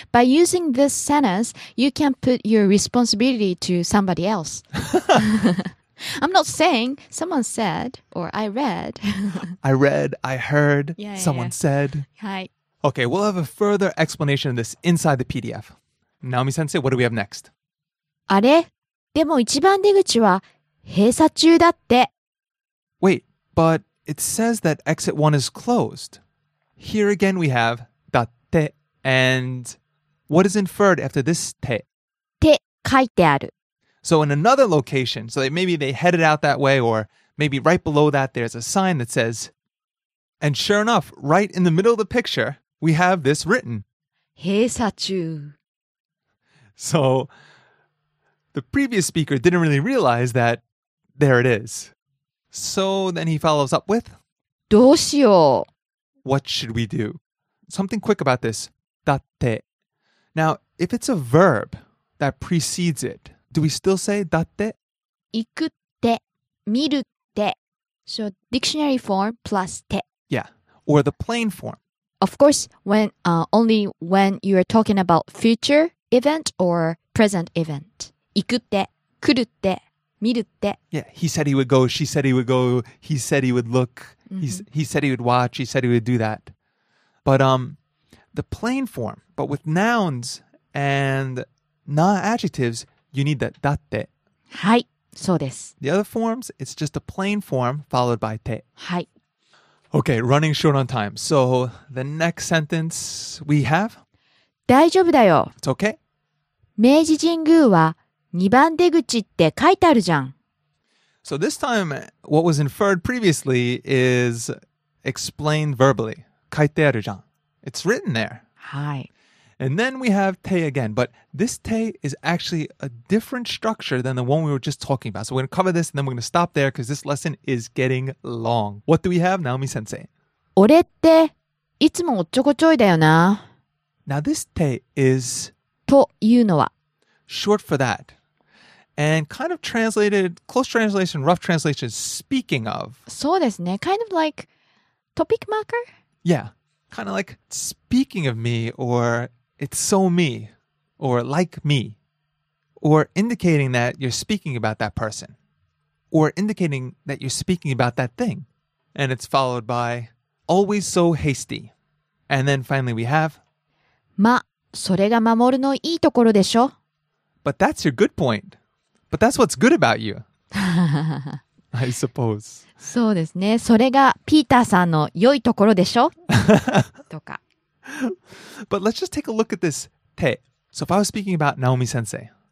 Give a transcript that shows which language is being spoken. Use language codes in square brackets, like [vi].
[en] By using this sentence, you can put your responsibility to somebody else. I'm not saying, someone said, or I read. I heard, someone said. Hi. Okay, we'll have a further explanation of this inside the PDF. Naomi-sensei, what do we have next? [ja] あれ? でも一番出口は閉鎖中だって。 [en] Wait, but it says that exit one is closed. Here again we have だって。And what is inferred after this て? [ja] て書いてある。 [en] So in another location, so maybe they headed out that way, or maybe right below that there's a sign that says, and sure enough, right in the middle of the picture,We have this written. [ja] 閉鎖中. [en] So, the previous speaker didn't really realize that there it is. So, then he follows up with? [ja] どうしよう? [en] What should we do? Something quick about this. だって. Now, if it's a verb that precedes it, do we still say だって? [ja] 行くって、見るって. [en] So, dictionary form plus て. Yeah, or the plain form. Of course, only when you are talking about future event or present event. [ja] 行くって、来るって、見るって。 [en] Yeah, he said he would go, she said he would go, he said he would look, he said he would watch, he said he would do that. But the plain form, but with nouns and non-adjectives, you need that だって。 [ja] はい、そうです。 [en] The other forms, it's just a plain form followed by て。 [ja] はい。 [en] Okay, running short on time. So, the next sentence we have? [ja] 大丈夫だよ。 [en] It's okay. [ja] 明治神宮は2番出口って書いてあるじゃん。 [en] So, this time, what was inferred previously is explained verbally. [ja] 書いてあるじゃん。 [en] It's written there. [ja] はい。 [en] And then we have te again. But this te is actually a different structure than the one we were just talking about. So we're going to cover this and then we're going to stop there because this lesson is getting long. What do we have, Naomi-sensei? [ja] 俺っていつもおっちょこちょいだよな。 [en] Now this te is... [ja] というのは。 [en] Short for that. And kind of translated, close translation, rough translation, speaking of. [ja] そうですね。 [en] Kind of like topic marker? Yeah. Kind of like speaking of me, or it's so me, or like me, or indicating that you're speaking about that person, or indicating that you're speaking about that thing. And it's followed by always so hasty. And then finally we have, ま、それが守のいいところでしょ? But that's your good point. But that's what's good about you. I suppose. [ja] そうですね。それがピーターさんの良いところでしょ? とか。 [en] But let's just take a look at this て。 So if I was speaking about Naomi-sensei.